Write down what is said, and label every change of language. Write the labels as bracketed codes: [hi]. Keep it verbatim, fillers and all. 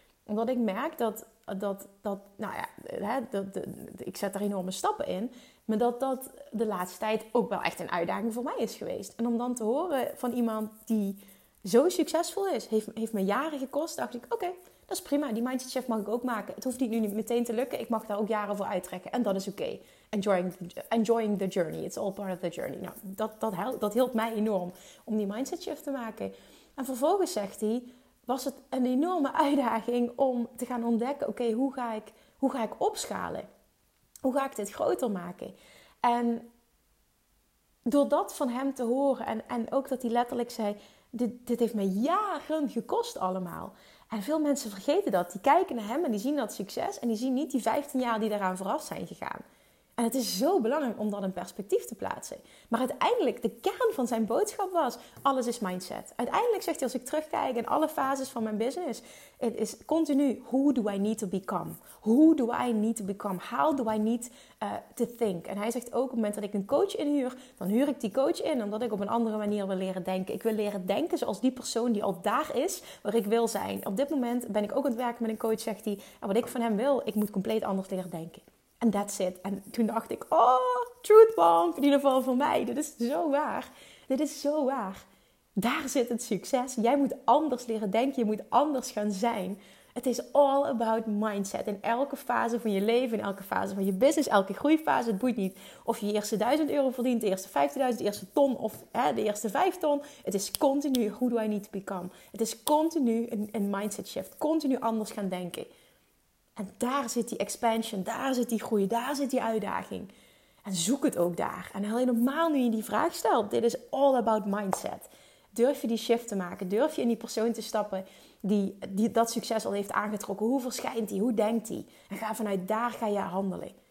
[nl] Omdat ik merk dat, dat, dat nou ja, hè, dat, dat, ik zet er enorme stappen in. Maar dat dat de laatste tijd ook wel echt een uitdaging voor mij is geweest. En om dan te horen van iemand die zo succesvol is, heeft, heeft me jaren gekost, dacht ik, oké. Okay, dat is prima, die mindset shift mag ik ook maken. Het hoeft niet nu niet meteen te lukken, ik mag daar ook jaren voor uittrekken. En dat is oké. Okay. [en] Enjoying, enjoying the journey, it's all part of the journey. [nl] Nou, dat, dat, helpt, dat hielp mij enorm om die mindset shift te maken. En vervolgens, zegt hij, was het een enorme uitdaging om te gaan ontdekken... oké, okay, hoe ga ik, hoe ga ik opschalen? Hoe ga ik dit groter maken? En door dat van hem te horen en, en ook dat hij letterlijk zei... Dit, dit heeft me jaren gekost allemaal... En veel mensen vergeten dat. Die kijken naar hem en die zien dat succes. En die zien niet die vijftien jaar die daaraan vooraf zijn gegaan. En het is zo belangrijk om dat in perspectief te plaatsen. Maar uiteindelijk, de kern van zijn boodschap was... alles is mindset. Uiteindelijk zegt hij, als ik terugkijk in alle fases van mijn business... [en] het is continu, who do I need to become? Who do I need to become? How do I need uh, to think? [nl] En hij zegt ook, op het moment dat ik een coach inhuur... dan huur ik die coach in, omdat ik op een andere manier wil leren denken. Ik wil leren denken zoals die persoon die al daar is, waar ik wil zijn. Op dit moment ben ik ook aan het werken met een coach, zegt hij. En wat ik van hem wil, ik moet compleet anders leren denken. En [en] that's it. [nl] En toen dacht ik, oh, [en] truth bomb. [nl] In ieder geval voor mij. Dit is zo waar. Dit is zo waar. Daar zit het succes. Jij moet anders leren denken. Je moet anders gaan zijn. Het is [en] all about mindset. [nl] In elke fase van je leven, in elke fase van je business, elke groeifase. Het boeit niet of je je eerste duizend euro verdient, de eerste vijftienduizend, de eerste ton of hè, de eerste vijf ton. Het is continu, [en] who do I need to become? [nl] Het is continu een, een mindset shift. Continu anders gaan denken. En daar zit die expansion, daar zit die groei, daar zit die uitdaging. En zoek het ook daar. En helemaal nu je die vraag stelt, dit is [en] all about mindset. [nl] Durf je die shift te maken? Durf je in die persoon te stappen die, die dat succes al heeft aangetrokken? Hoe verschijnt die? Hoe denkt die? En ga vanuit daar ga je handelen.